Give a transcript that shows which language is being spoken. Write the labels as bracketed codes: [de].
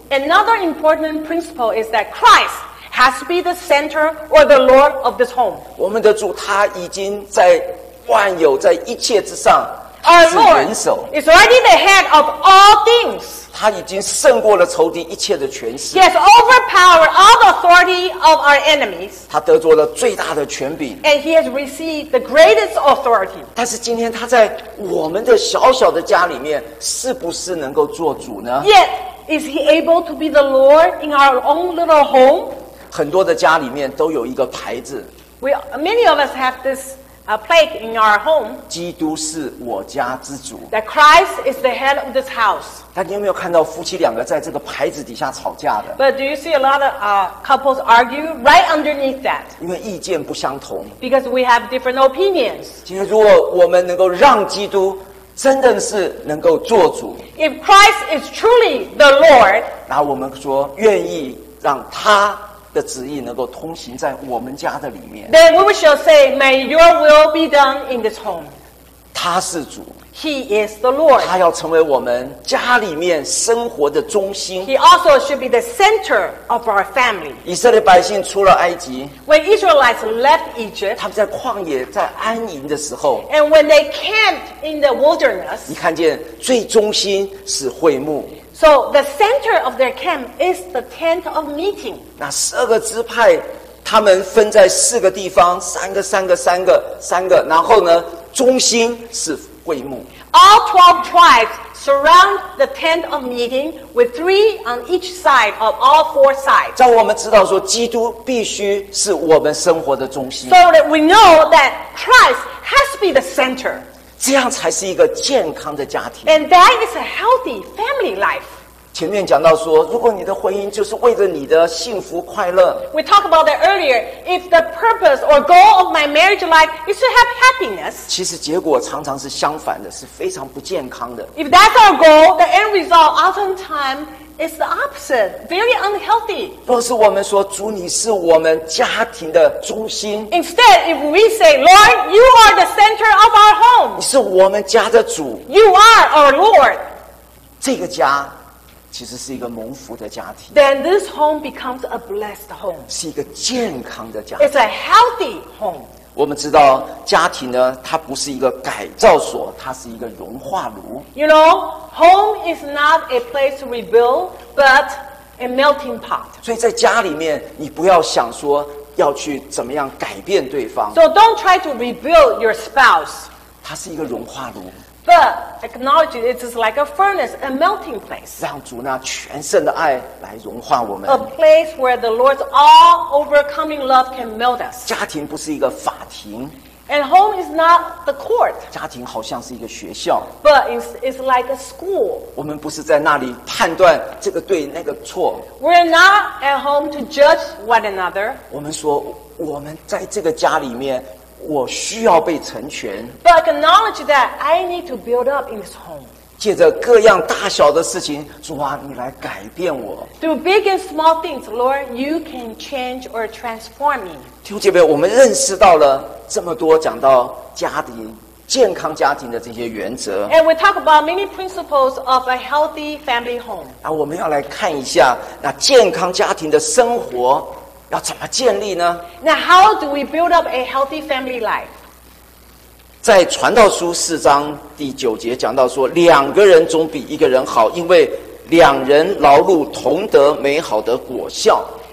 [en] Another important principle is that ChristHas to be the center or the Lord of this home. [zh] 我们的主他已经在万有在一切之上 [en] Our Lord is already the head of all things. [zh] 他已经胜过了仇敌一切的权势 [en] He has overpowered all the authority of our enemies. [zh] 他得着了最大的权柄 [en] And he has received the greatest authority. [zh] 但是今天他在我们的小小的家里面是不是能够做主呢 [en] Yet, is he able to be the Lord in our own little home? [zh] 很多的家里面都有一个牌子 [en] many of us have this plaque in our home [zh] 基督是我家之主 [en] that Christ is the head of this house [zh] 但你有没有看到夫妻两个在这个牌子底下吵架的 [en] but do you see a lot of couples argue right underneath that [zh] 因为意见不相同 [en] because we have different opinions [zh] 今天如果我们能够让基督真的是能够做主 [en] if Christ is truly the Lord [zh] 那我们说愿意让他的旨意能够通行在我们家的里面。 [en] Then we shall say, May your will be done in this home. [zh] 他是主。 [en] He is the Lord. [zh] 他要成为我们家里面生活的中心。 [en] He also should be the center of our family. [zh] 以色列百姓出了埃及。 [en] When Israelites left Egypt, [zh] 他们在旷野在安营的时候。 [en] And when they camped in the wilderness, [zh] 你看见最中心是会幕。 [en] So the center of their camp is the tent of meeting. [zh] 那十二个支派，他们分在四个地方，三个、三个、三个、三个，然后呢，中心是会幕。 [en] All 12 tribes surround the tent of meeting with three on each side of all four sides. [zh] 让我们知道说，基督必须是我们生活的中心。 [en] So that we know that Christ has to be the center. [zh] 这样才是一个健康的家庭。 [en] And that is a healthy family life. [zh] 前面讲到说，如果你的婚姻就是为了你的幸福快乐 [en] ，We talked about that earlier. If the purpose or goal of my marriage life is to have happiness, [zh] 其实结果常常是相反的，是非常不健康的。 [en] If that's our goal, the end result oftentimes is the opposite, very unhealthy. [zh] 若是我们说主你是我们家庭的中心 [en] ，Instead, if we say, Lord, you are the center of our home, [zh] 你是我们家的主 [en] ，You are our Lord. [zh] 这个家。其实是一个蒙福的家庭。 [en] Then this home becomes a blessed home. [zh] 是一个健康的家。 [en] It's a healthy home. [zh] 我们知道家庭呢，它不是一个改造所，它是一个融化炉。 [en] You know, home is not a place to rebuild, but a melting pot. [zh] 所以在家里面，你不要想说要去怎么样改变对方。 [en] So don't try to rebuild your spouse. [zh] 它是一个融化炉。 [en] But acknowledge it is like a furnace, a melting place. [zh] 让主那全盛的爱来融化我们。 [en] A place where the Lord's all-overcoming love can melt us. [zh] 家庭不是一个法庭。 [en] And home is not the court. [zh] 家庭好像是一个学校。 [en] But it's like a school. [zh] 我们不是在那里判断这个对那个错。 [en] We're not at home to judge one another. [zh] 我们说我们在这个家里面。我需要被成全 [en] But acknowledge that I need to build up in this home [zh] 借着各样大小的事情主啊你来改变我 [en] Through big and small things Lord you can change or transform me [zh] 弟兄姐妹我们认识到了这么多讲到家庭健康家庭的这些原则 [en] And we talk about many principles of a healthy family home [zh] 那我们要来看一下那健康家庭的生活要怎么建立呢 [en] Now how do we build up a healthy family life? [zh] 在传道书四章第九节讲到说两个人总比一个人好因为两人劳碌同得美好的果效